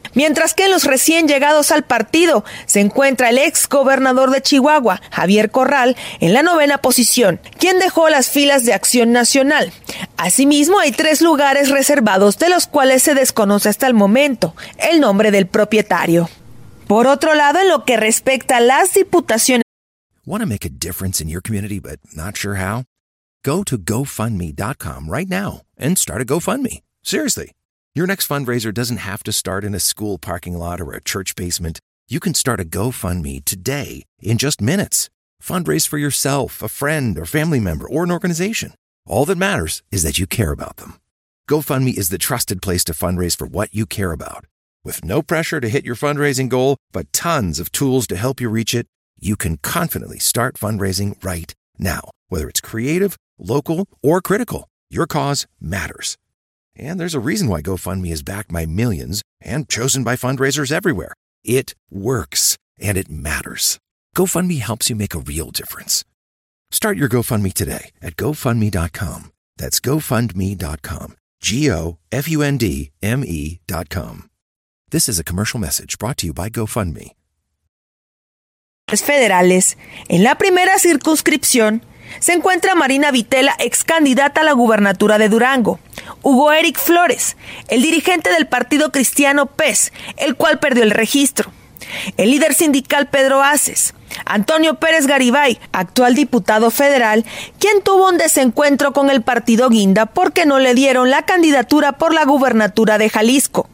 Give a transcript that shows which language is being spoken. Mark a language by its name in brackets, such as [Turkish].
[Spanish] Mientras que en los recién llegados al partido se encuentra el exgobernador de Chihuahua, Javier Corral, en la novena posición, quien dejó las filas de Acción Nacional. Asimismo, hay tres lugares reservados de los cuales se desconoce hasta el momento el nombre del propietario. Por otro lado, en lo que respecta a las diputaciones... [English] Want to make a difference in your community, but not sure how? Go to GoFundMe.com right now and start a GoFundMe. Seriously. Your next fundraiser doesn't have to start in a school parking lot or a church basement. You can start a GoFundMe today in just minutes. Fundraise for yourself, a friend, or family member, or an organization. All that matters is that you care about them. GoFundMe is the trusted place to fundraise for what you care about. With no pressure to hit your fundraising goal, but tons of tools to help you reach it, you can confidently start fundraising right now. Whether it's creative, local, or critical, your cause matters. And there's a reason why GoFundMe is backed by millions and chosen by fundraisers everywhere. It works, and it matters. GoFundMe helps you make a real difference. Start your GoFundMe today at GoFundMe.com. That's GoFundMe.com. GoFundMe.com. This is a commercial message brought to you by GoFundMe. [Spanish] Federales. En la primera circunscripción se encuentra Marina Vitela, ex candidata a la gubernatura de Durango. Hugo Eric Flores, el dirigente del Partido Cristiano PES, el cual perdió el registro. El líder sindical Pedro Haces. Antonio Pérez Garibay, actual diputado federal, quien tuvo un desencuentro con el partido Guinda porque no le dieron la candidatura por la gubernatura de Jalisco.